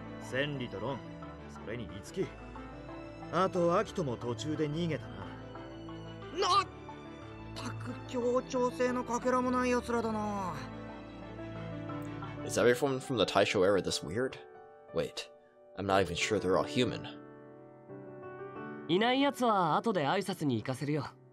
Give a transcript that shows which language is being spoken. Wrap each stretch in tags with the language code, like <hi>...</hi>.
<ja>千里とロン、それにリツキ、あとアキトも途中で逃げたな。なっ、たく協調性のかけらもない奴らだな。</ja> <en>Is everyone from the Taisho era this weird? Wait, I'm not even sure they're all human.</en> <ja>いない奴は後で挨拶に行かせるよ。</ja>